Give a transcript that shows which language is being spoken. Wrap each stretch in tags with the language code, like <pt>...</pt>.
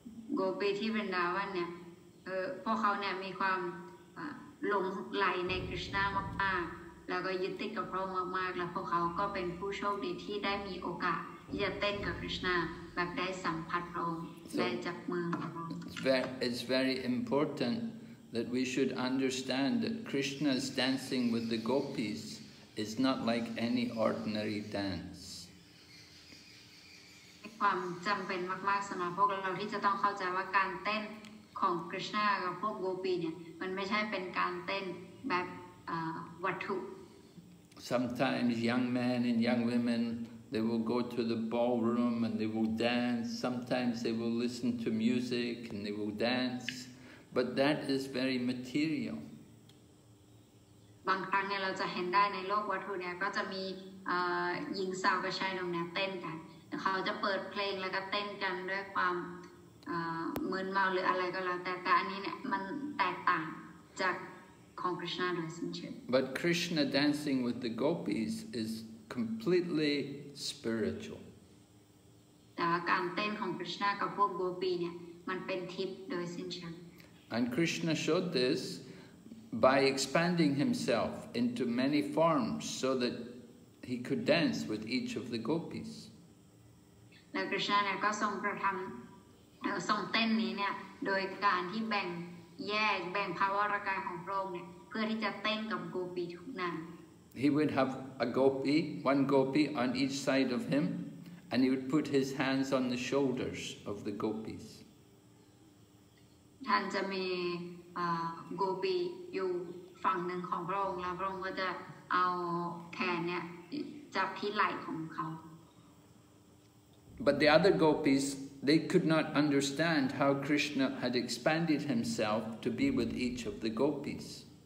<en>It's very important that we should understand that Krishna's dancing with the gopis is not like any ordinary dance.</en> <th>ความจำเป็นมากๆสำหรับพวกเราที่จะต้องเข้าใจว่าการเต้นของคริสต์นากับพวกโกปีเนี่ย มันไม่ใช่เป็นการเต้นแบบวัตถุ</th> <en>Sometimes young men and young women they will go to the ballroom and they will dance. Sometimes they will listen to music and they will dance, but that is very material.</en> <th>บางครั้งเนี่ยเราจะเห็นได้ในโลกวัตถุเนี่ยก็จะมีหญิงสาวกับชายหนุ่มเนี่ยเต้นกันเขาจะเปิดเพลงแล้วก็เต้นกันด้วยความมึนเมาหรืออะไรก็แล้วแต่อันนี้เนี่ยมันแตกต่างจากของ Krishna โดยสิ้นเชิง</th> <en>But Krishna dancing with the gopis is completely spiritual</en> <th>แต่การเต้นของ Krishna กับพวกโกปีเนี่ยมันเป็นทิพย์โดยสิ้นเชิง</th> <en>And Krishna showed this by expanding himself into many forms so that he could dance with each of the gopis</en> <th>แล้ว Krishna เนี่ยก็ทรงกระทำทรงเต้นนี้เนี่ยโดยการที่แบ่งแยกแบ่งภาวะร่างกายของพระองค์เนี่ยเพื่อที่จะเต้นกับโกปีทุกนั้น</th> <en>He would have a gopi, one gopi on each side of him, and he would put his hands on the shoulders of the gopis.</en> <th>ท่านจะมีโกปีอยู่ฝั่งหนึ่งของพระองค์แล้วพระองค์ก็จะเอาแขนเนี่ยจับที่ไหล่ของเขา</th> <en>But the other gopis,They could not understand how Krishna had expanded himself to be with each of the gopis.</en>